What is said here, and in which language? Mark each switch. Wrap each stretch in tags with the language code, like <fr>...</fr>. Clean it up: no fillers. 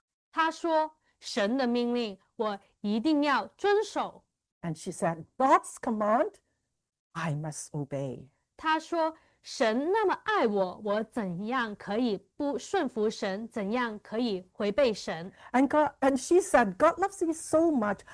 <zh>他说神的命令我一定要遵守。</zh> <en>And she said, God's command, I must obey.</en> <zh>她说神那么爱我，我怎样可以不顺服神？怎样可以违背神？</zh> <en>And she said, God loves me so much.</en>